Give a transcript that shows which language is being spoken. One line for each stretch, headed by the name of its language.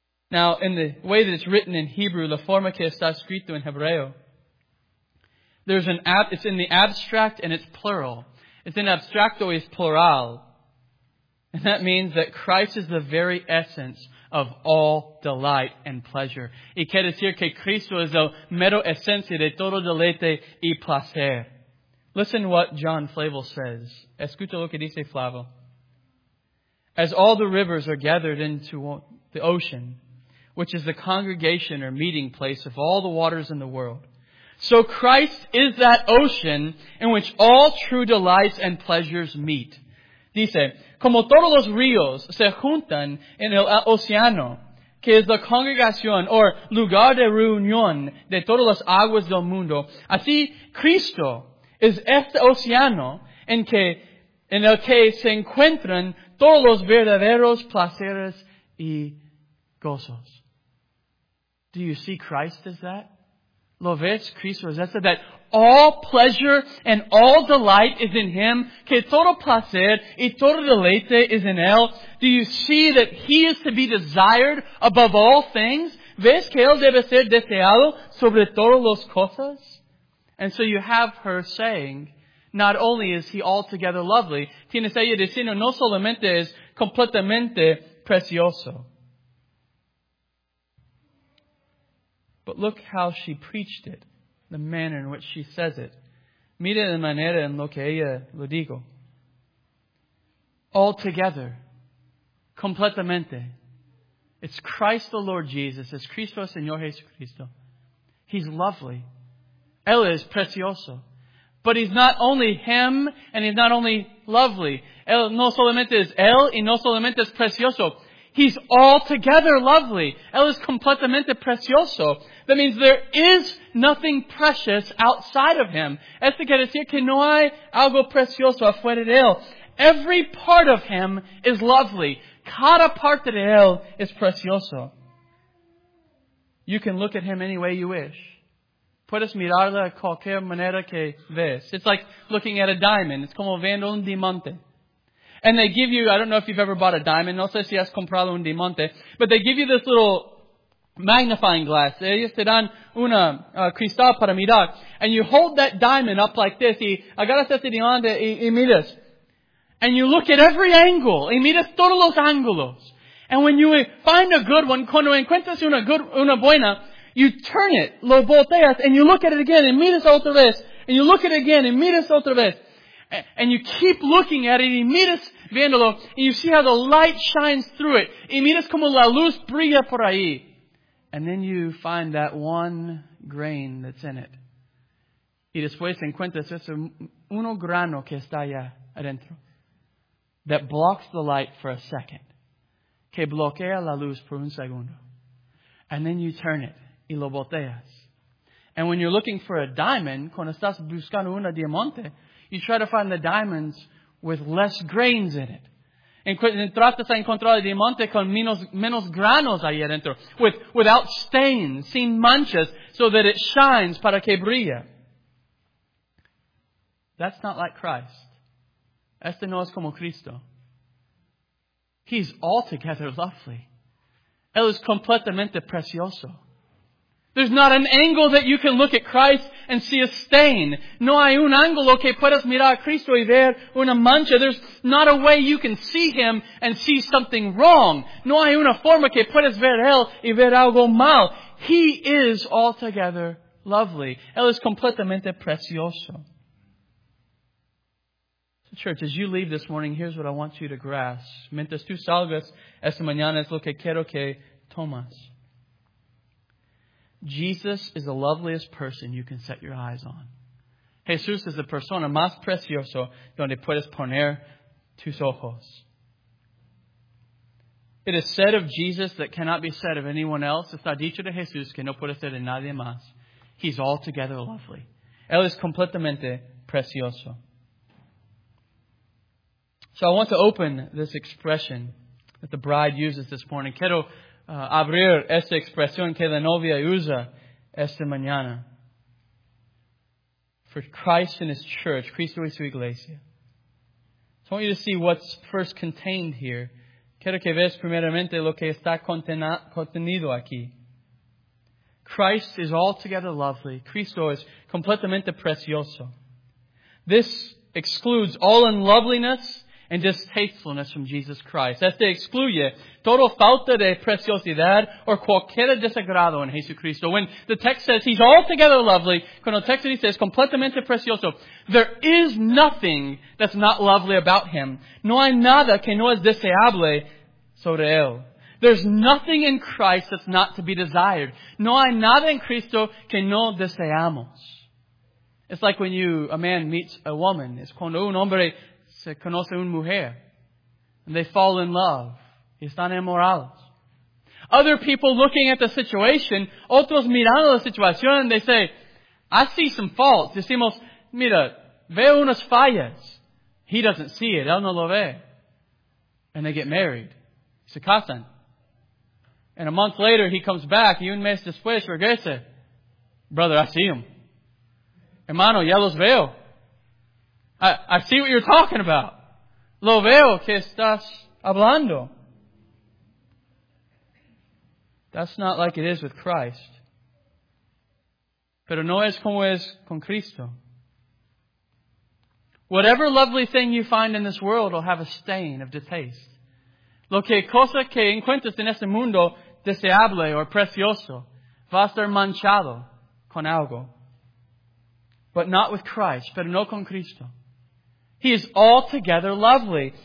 English: Now, in the way that it's written in Hebrew,
Spanish: la forma que está escrito en Hebreo,
English: there's it's in the abstract and it's plural. It's in abstracto, it's plural. And that means that Christ is the very essence of all delight and pleasure.
Spanish: Y quiere decir que Cristo es la mera esencia de todo deleite y placer.
English: Listen what John Flavel says.
Spanish: Escucha lo que dice Flavel.
English: As all the rivers are gathered into the ocean, which is the congregation or meeting place of all the waters in the world. So Christ is that ocean in which all true delights and pleasures meet.
Spanish: Dice, como todos los ríos se juntan en el océano, que es la congregación o lugar de reunión de todas las aguas del mundo, así Cristo es este océano en el que se encuentran todos los verdaderos placeres y gozos.
English: Do you see Christ as that?
Spanish: ¿Lo ves? Cristo es este,
English: that all pleasure and all delight is in Him,
Spanish: que todo placer y todo deleite
English: is in Él. Do you see that He is to be desired above all things?
Spanish: ¿Ves que Él debe ser deseado sobre todas las cosas?
English: And so you have her saying, not only is He altogether lovely,
Spanish: tienes ella diciendo, no solamente es completamente precioso.
English: But look how she preached it, the manner in which she says it.
Spanish: Mira la manera en lo que ella lo digo.
English: Altogether, completamente. It's Christ the Lord Jesus,
Spanish: es Cristo Señor Jesucristo.
English: He's lovely.
Spanish: Él es precioso.
English: But He's not only Him, and He's not only lovely.
Spanish: Él no solamente es Él, y no solamente es precioso.
English: He's altogether lovely.
Spanish: Él es completamente precioso.
English: That means there is nothing precious outside of Him.
Spanish: Esto quiere decir que no hay algo precioso afuera de Él.
English: Every part of Him is lovely.
Spanish: Cada parte de Él es precioso.
English: You can look at Him any way you wish.
Spanish: Puedes mirarla de cualquier manera que ves.
English: It's like looking at a diamond. It's
Spanish: como viendo un diamante.
English: And they give you, I don't know if you've ever bought a diamond,
Spanish: no sé si has comprado un diamante,
English: but they give you this little magnifying glass.
Spanish: Ellos te dan una cristal para mirar.
English: And you hold that diamond up like this,
Spanish: y agarras este diamante y miras.
English: And you look at every angle,
Spanish: y miras todos los ángulos.
English: And when you find a good one,
Spanish: cuando encuentras una buena,
English: you turn it,
Spanish: lo volteas,
English: and you look at it again,
Spanish: y miras otra vez.
English: And you look at it again,
Spanish: y miras otra vez.
English: And you keep looking at it,
Spanish: y miras viéndolo,
English: and you see how the light shines through it.
Spanish: Y miras como la luz brilla por ahí.
English: And then you find that one grain that's in it.
Spanish: Y después encuentras ese uno grano que está allá adentro.
English: That blocks the light for a second.
Spanish: Que bloquea la luz por un segundo.
English: And then you turn it,
Spanish: y lo volteas.
English: And when you're looking for a diamond,
Spanish: cuando estás buscando una diamante,
English: you try to find the diamonds with less grains in it.
Spanish: Tratas de encontrar el diamante con menos granos ahí adentro.
English: Without stains,
Spanish: sin manchas,
English: so that it shines
Spanish: para que brille.
English: That's not like Christ.
Spanish: Este no es como Cristo.
English: He's altogether lovely.
Spanish: Él es completamente precioso.
English: There's not an angle that you can look at Christ and see a stain.
Spanish: No hay un ángulo que puedas mirar a Cristo y ver una mancha.
English: There's not a way you can see Him and see something wrong.
Spanish: No hay una forma que puedas ver Él y ver algo mal.
English: He is altogether lovely.
Spanish: Él es completamente precioso.
English: So church, as you leave this morning, here's what I want you to grasp.
Spanish: Mientras tú salgas esta mañana, es lo que quiero que tomas.
English: Jesus is the loveliest person you can set your eyes on.
Spanish: Jesús es la persona más preciosa donde puedes poner tus ojos.
English: It is said of Jesus that cannot be said of anyone else.
Spanish: Está dicho de Jesús que no puede ser de nadie más.
English: He's altogether lovely.
Spanish: Él es completamente precioso.
English: So I want to open this expression that the bride uses this morning.
Spanish: Quiero abrir esta expresión que la novia usa esta mañana.
English: For Christ and His church,
Spanish: Cristo y su iglesia.
English: So I want you to see what's first contained here.
Spanish: Quiero que veas primeramente lo que está contenido aquí.
English: Christ is altogether lovely.
Spanish: Cristo es completamente precioso.
English: This excludes all unloveliness and distastefulness from Jesus Christ.
Spanish: Este excluye todo falta de preciosidad o cualquier desagrado en Jesucristo.
English: When the text says He's altogether lovely,
Spanish: cuando el texto dice es completamente precioso,
English: there is nothing that's not lovely about Him.
Spanish: No hay nada que no es deseable sobre Él.
English: There's nothing in Christ that's not to be desired.
Spanish: No hay nada en Cristo que no deseamos.
English: It's like when a man meets a woman.
Spanish: Es cuando un hombre se conoce una mujer.
English: And they fall in love.
Spanish: Están enamorados.
English: Other people looking at the situation,
Spanish: otros mirando la situación,
English: and they say, I see some faults.
Spanish: Decimos, mira, veo unas fallas.
English: He doesn't see it.
Spanish: Él no lo ve.
English: And they get married.
Spanish: Se casan.
English: And a month later, he comes back.
Spanish: Y un mes después, regresa.
English: Brother, I see him.
Spanish: Hermano, ya los veo.
English: I see what you're talking about.
Spanish: Lo veo que estás hablando.
English: That's not like it is with Christ.
Spanish: Pero no es como es con Cristo.
English: Whatever lovely thing you find in this world will have a stain of distaste.
Spanish: Lo que cosa que encuentres en este mundo deseable o precioso va a estar manchado con algo.
English: But not with Christ,
Spanish: pero no con Cristo.
English: He is altogether lovely.